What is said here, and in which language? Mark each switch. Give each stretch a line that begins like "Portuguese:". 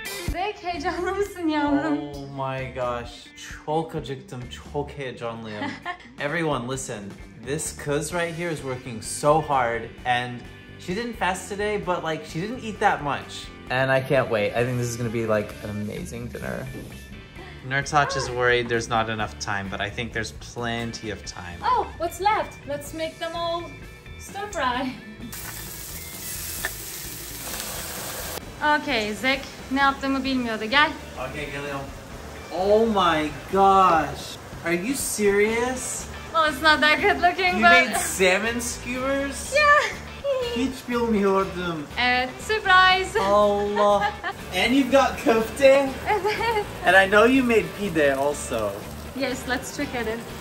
Turkish: Zek, heyecanlı mısın yavrum?
English: Oh my gosh.
Turkish: Çok acıktım, çok heyecanlıyım.
English: Everyone listen, this
Turkish: kız
English: right here is working so hard and she didn't fast today, but like she didn't eat that much. And I can't wait. I think this is gonna be like an amazing dinner. Nurtach is worried there's not enough time, but I think there's plenty of time. Oh, what's left? Let's make them all stir fry.
Turkish: Okay, Zek, ne yaptığımı bilmiyordu. Gel.
English: Okay,
Turkish: geliyorum.
English: Oh my gosh. Are you serious? Well, it's not that good looking, but... You made salmon skewers? Yeah.
Turkish: Hiç bilmiyordum. Evet,
English: surprise. Allah. And you've got köfte?
Turkish: Evet.
English: And I know you made pide also. Yes, let's check at it.